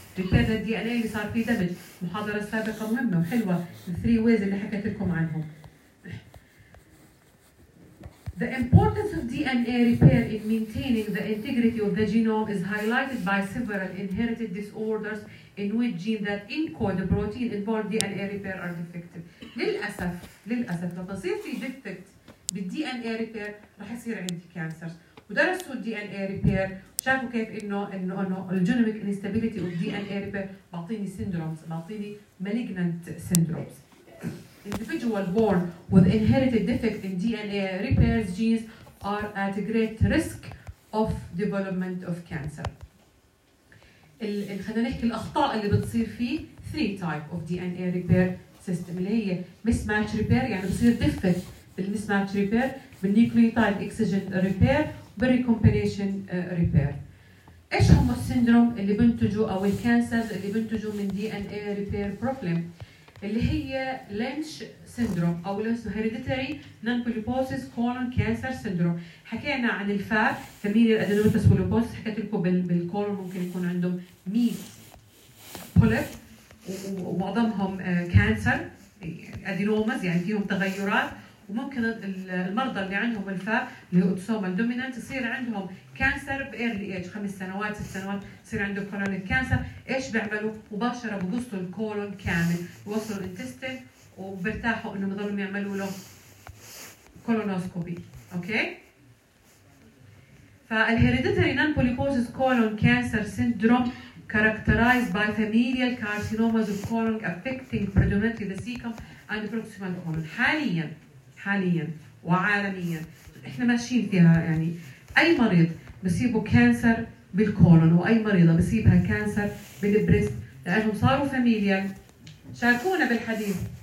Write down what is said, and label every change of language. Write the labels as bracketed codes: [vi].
[en] repair the DNA [ar] اللي صار فيه [en] damage. [ar] محاضرة سابقة مهمة وحلوة [en] three ways [ar] اللي حكيت لكم عنهم. [en] The importance of DNA repair in maintaining the integrity of the genome is highlighted by several inherited disorders in which genes that encode the protein involved DNA repair are defective. [ar] للأسف, للأسف لما تصير في defect بالDNA repair راح يصير عندي cancers. [en] ودرسوا DNA repair, [ar] شافوا كيف إنه [en] الجينوميك instability of DNA repair بعطيني syndromes, بعطيني malignant syndromes. Individual born with inherited defect in DNA repairs genes are at great risk of development of cancer. [ar] خلينا نحكي الأخطاء اللي بتصير فيه [en] three type of DNA repair system اللي هي mismatch repair يعني بصير defect بالmismatch repair بالnucleotide excision repair بالrecombination repair. [ar] إيش هم السيندروم اللي بنتجوا أو الكانسرز اللي بنتجوا من [en] DNA repair problem [ar] اللي هي Lynch syndrome أو اللي اسمه hereditary non-polyposis colon cancer syndrome. حكينا عن الفار [en] familial adenomatous polyposis [ar] حكيت لكم بالcolon ممكن يكون عندهم 100 polyp ومعظمهم cancer adenomas يعني فيهم تغيرات وممكن المرضى اللي عندهم الفار اللي هو autosomal dominant يصير عندهم [en] cancer early age [ar] 5 سنوات 6 سنوات يصير عنده colonic cancer. إيش بيعملوا مباشرة بقصوا الكولون كامل بوصلوا الانتستين وبرتاحوا إنه مظلوا يعملوا له colonoscopy. [en] Okay فالهيريديتري non polyposis colon cancer syndrome characterized by familial carcinomas of colon affecting predominantly the cecum and proximal colon. [ar] حاليا وعالميا احنا ماشيين فيها يعني اي مريض بصيبه كانسر بالكولون واي مريضه بصيبها كانسر بالبريست لانهم صاروا فاميليا. شاركونا بالحديث.